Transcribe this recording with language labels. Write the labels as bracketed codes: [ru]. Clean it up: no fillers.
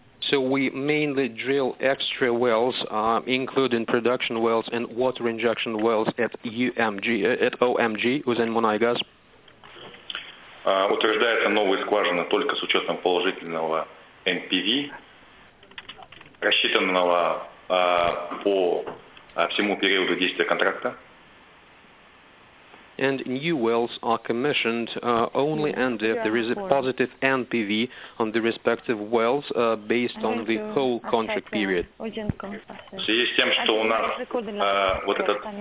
[en] So we mainly drill extra wells, including production wells and water injection wells at UMG, at OMG, Узень-Мунайгаз. [ru] Утверждается новые скважины только с учетом положительного NPV, рассчитанного по всему периоду действия контракта. [en] And new wells are commissioned only and if there is a positive NPV on the respective wells based on the whole contract period. [ru] В связи с тем, что у нас вот этот...